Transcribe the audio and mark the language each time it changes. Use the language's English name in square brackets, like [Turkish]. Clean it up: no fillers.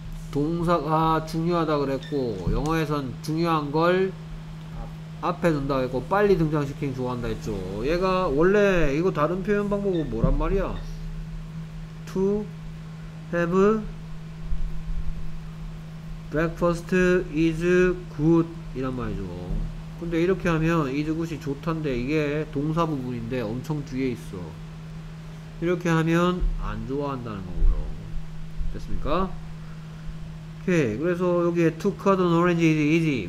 [Korean] 동사가 중요하다 그랬고 영어에선 중요한 걸 앞에 둔다고 했고 빨리 등장시키는 좋아한다 했죠. 얘가 원래 이거 다른 표현 방법은 뭐란 말이야? [English] To have breakfast is good [Korean] 이란 말이죠. 근데 이렇게 하면 [English] is good [Korean] 이 좋단데 이게 동사 부분인데 엄청 뒤에 있어. 이렇게 하면 안 좋아한다는 거고요. 됐습니까? 오케이. 그래서 여기에 [English] To cut an orange is easy.